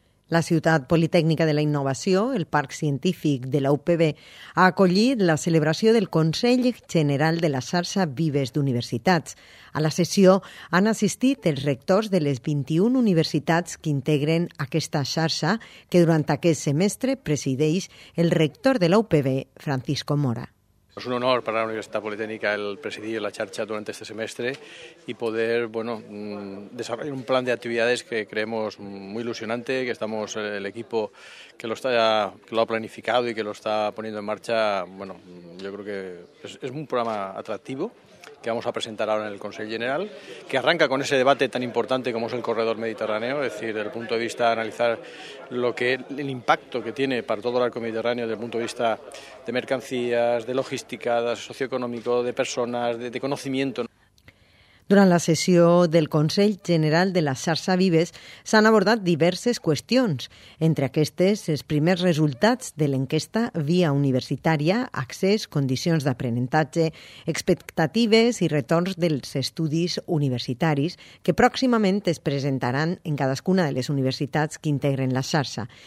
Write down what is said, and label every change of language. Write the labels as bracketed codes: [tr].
[ca] La Ciutat Politécnica de la Innovació, el Parc Científic de la UPV, ha acollit la celebració del Consell General de la Xarxa Vives d'Universitats. A la sessió han assistit els rectors de les 21 universitats que integren aquesta xarxa, que durant aquest semestre presideix el rector de la UPV, Francisco Mora. [es] Es un honor para la Universidad Politécnica el presidir la charcha durante este semestre y poder desarrollar un plan de actividades que creemos muy ilusionante, que estamos el equipo que lo ha planificado y que lo está poniendo en marcha. Bueno, yo creo que es un programa atractivo que vamos a presentar ahora en el Consejo General, que arranca con ese debate tan importante como es el corredor mediterráneo, es decir, desde el punto de vista de analizar el impacto que tiene para todo el arco mediterráneo desde el punto de vista de mercancías, de logística, de socioeconómico, de personas, de conocimiento. [ca] Durant la sessió del Consell General de la Xarxa Vives s'han abordat diverses qüestions, entre aquestes els primers resultats de l'enquesta Via Universitària, accés, condicions d'aprenentatge, expectatives i retorns dels estudis universitaris que pròximament es presentaran en cadascuna de les universitats que integren la xarxa.